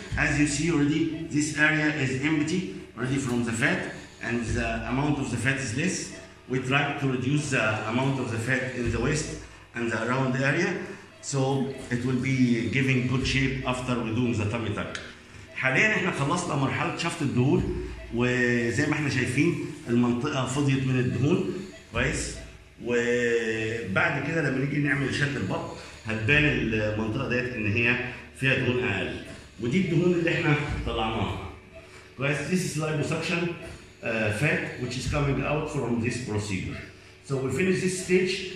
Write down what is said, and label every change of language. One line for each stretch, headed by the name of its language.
English: As you see already this area is empty already from the fat. And the amount of the fat is less. We try to reduce the amount of the fat in the waist and the around area, so it will be giving good shape after we do the tummy tuck.
Arabic: حاليا احنا خلصنا مرحلة شفط الدهون وزي ما احنا شايفين المنطقة فضيت من الدهون كويس وبعد كده لما نيجي نعمل شد البطن هتبان المنطقة ديت ان هي فيها دهون اقل ودي الدهون اللي احنا طلعناها كويس.
English: This is liposuction. Fat which is coming out from this procedure. So we finish this stage.